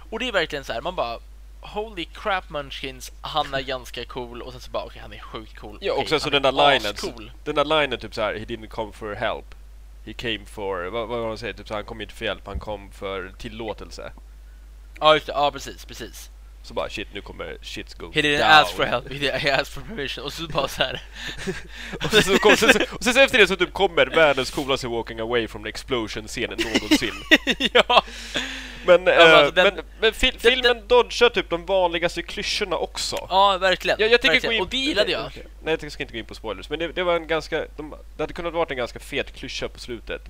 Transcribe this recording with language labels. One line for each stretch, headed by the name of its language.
Swedish: Och det är verkligen så här, man bara
English: holy crap munchkins,
Swedish: han är ganska cool. Och sen så bara, okej, han är sjukt cool. Ja, och sen så den där linen cool. Den där linen typ så här,
English: he didn't come for help, he came for,
Swedish: vad var han säger, typ så här, han kom inte för hjälp, han kom för tillåtelse. Ja, just det, ja, precis. Så bara, shit, nu kommer
English: shit go down. He didn't ask for help, he asked for permission.
Swedish: Och så bara så här. Och sen efter det så typ kommer världens coolaste walking away from the explosion-scenen någonsin. Ja. Men, alltså, filmen dodgar typ de vanligaste klyschorna också. Ja, verkligen. Jag tänker verkligen. Och gillade jag. Nej, jag ska inte gå in på spoilers. Men det var en ganska, det hade kunnat varit en ganska fet klyscha på slutet.